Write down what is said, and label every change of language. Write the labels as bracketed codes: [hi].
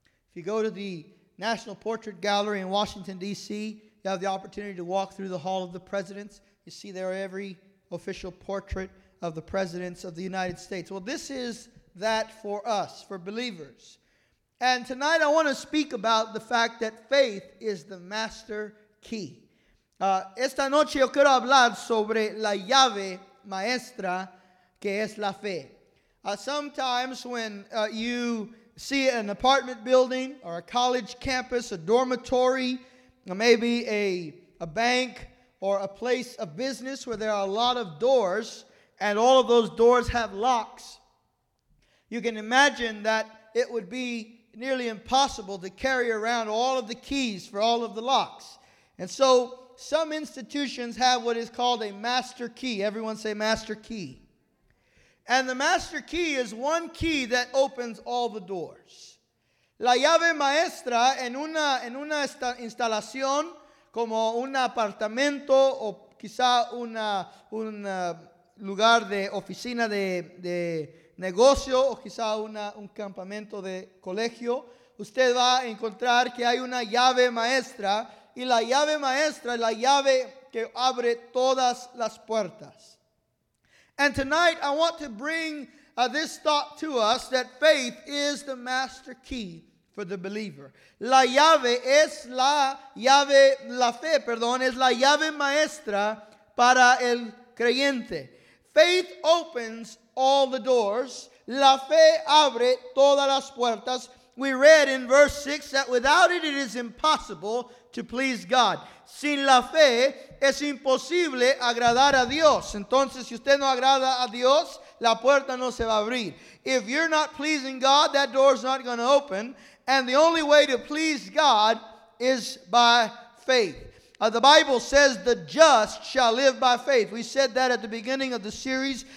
[en] If you go to the National Portrait Gallery in Washington, D.C., you have the opportunity to walk through the Hall of the Presidents. You see there every official portrait of the presidents of the United States. Well, this is that for us, for believers. And tonight I want to speak about the fact that faith is the master key. [es] Esta noche yo quiero hablar sobre la llave maestra que es la fe. [en] Sometimes when you see an apartment building or a college campus, a dormitory, or maybe a bank or a place of business where there are a lot of doors, and all of those doors have locks, you can imagine that it would be nearly impossible to carry around all of the keys for all of the locks. And so some institutions have what is called a master key. Everyone say master key. And the master key is one key that opens all the doors. [es] La llave maestra en una instalación, como un apartamento o quizá una lugar de oficina de negocio o quizá un campamento de colegio, usted va a encontrar que hay una llave maestra, y la llave maestra es la llave que abre todas las puertas. [en] And tonight I want to bring this thought to us that faith is the master key for the believer. [es] La llave es la llave, la fe, perdón, es la llave maestra para el creyente. [en] Faith opens all the doors. [es] La fe abre todas las puertas. [en] We read in verse 6 that without it, it is impossible to please God. [es] Sin la fe, es imposible agradar a Dios. Entonces, si usted no agrada a Dios, la puerta no se va a abrir. [en] If you're not pleasing God, that door's not going to open. And the only way to please God is by faith. The Bible says the just shall live by faith. We said that at the beginning of the series.